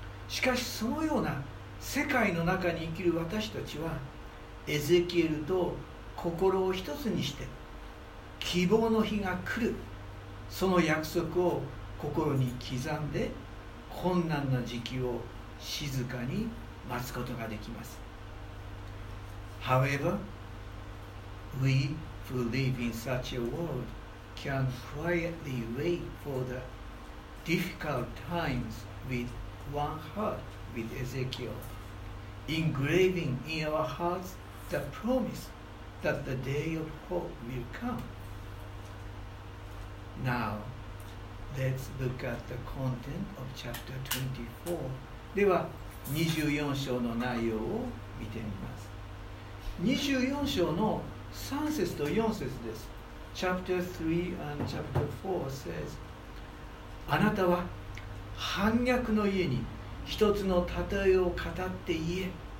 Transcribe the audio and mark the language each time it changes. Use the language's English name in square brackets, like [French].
[Japanese] しかし、そのような世界の中に生きる私たちは、エゼキエルと心を一つにして希望の日が来る、その約束を心に刻んで、困難な時期を静かに待つことができます。 [English] However, we who live in such a world can quietly wait for the difficult times with one heart, with Ezekiel, engraving in our hearts the promise that the day of hope will comeNow, let's look at the content of chapter 24. [Japanese] では、24章の内容を見てみます。 24章の3節と4節です。 [English] Chapter 3 and chapter 4 says, [Japanese] あなたは反逆の家に一つの例えを語って言え。